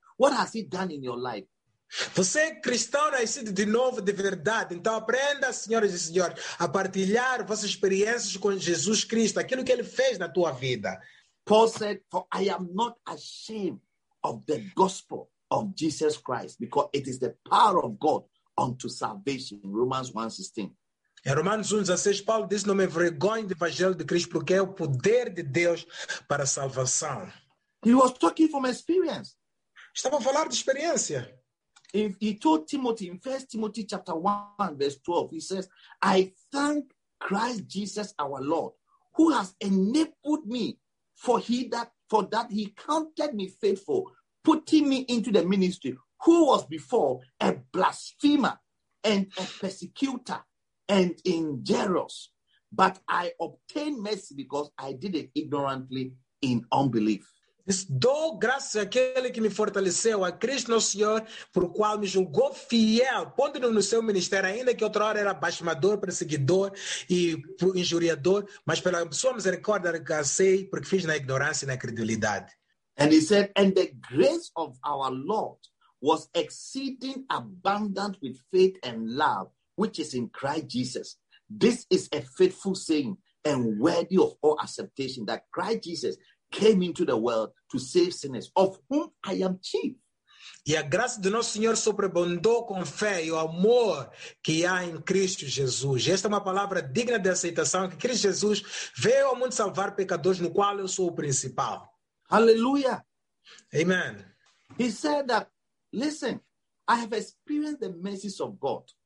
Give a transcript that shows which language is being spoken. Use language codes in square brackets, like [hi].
[en] What has he done in your life? [pt] Você é cristão nascido de novo de verdade, então aprenda, senhoras e senhores, a partilhar vossas experiências com Jesus Cristo, aquilo que ele fez na tua vida. [en] Paul said, "For I am not ashamed of the gospel of Jesus Christ, because it is the power of God unto salvation." Romans 1:16. [pt] Em Romanos 1:16, Paulo diz: "Não me envergonho do evangelho de Cristo, porque é o poder de Deus para a salvação." [en] He was talking from experience. [pt] Estava a falar de experiência. [en] He told Timothy in 1 Timothy chapter 1, verse 12, he says, "I thank Christ Jesus our Lord, who has enabled me, for he that for that he counted me faithful, putting me into the ministry, who was before a blasphemer and a persecutor and injurious. But I obtained mercy because I did it ignorantly in unbelief. [pt] Dou graças àquele que me fortaleceu, a Cristo nosso Senhor, por qual me julgou fiel, pondo-me no seu ministério, ainda que outrora era blasfemador, perseguidor e injuriador, mas pela sua misericórdia alcancei, porque fiz na ignorância e na credulidade. [en] And he said, and the grace of our Lord was exceeding abundant with faith and love, which is in Christ Jesus. This is a faithful saying and worthy of all acceptation, that Christ Jesus came into the world to save sinners, of whom I am chief. [pt] E a graça do nosso Senhor sobrebondou com fé e o amor que há em Cristo Jesus. Esta é uma palavra digna de aceitação, que Cristo Jesus veio ao mundo salvar pecadores, no qual eu sou o principal. Hallelujah. Amen. [en] He said that, listen, I have experienced the mercies of God.